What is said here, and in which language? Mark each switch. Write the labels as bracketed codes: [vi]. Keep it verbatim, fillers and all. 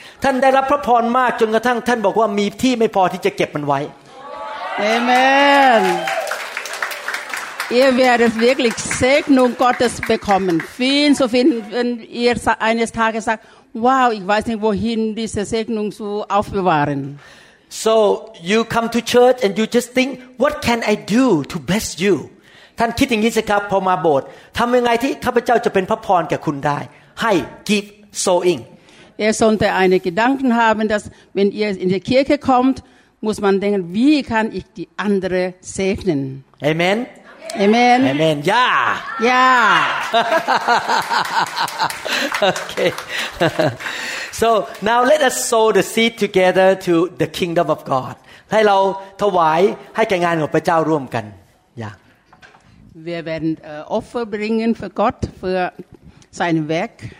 [th] ท่านได้รับพระพรมากจนกระทั่งท่านบอกว่ามีที่ไม่พอที่จะเก็บมันไว้ [en] Amen. [de] Ihr werdet wirklich Segnung Gottes bekommen. Viel so viel, wenn ihr eines Tages sagt, wow, ich weiß nicht wohin diese Segnung zu aufbewahren. [en] So you come to church and you just think, what can I do to bless you? [th] ท่านคิดอย่างนี้สิครับพอมาโบสถ์ทำยังไงที่ข้าพเจ้าจะเป็นพระพรแก่คุณได้ให้ [en] give sowing. [de] Ihr sollte eine Gedanken haben, dass wenn ihr in die Kirche kommt, muss man denken, wie kann ich die andere segnen? [en] Amen. Amen. Amen. Ja. [de] Ja. [en] Okay. So now let us sow the seed together to the kingdom of God. [th] ให้เราถวายให้แก่งานของพระเจ้าร่วมกัน Yeah. [de] Wir werden äh, Opfer bringen für Gott, für sein Werk.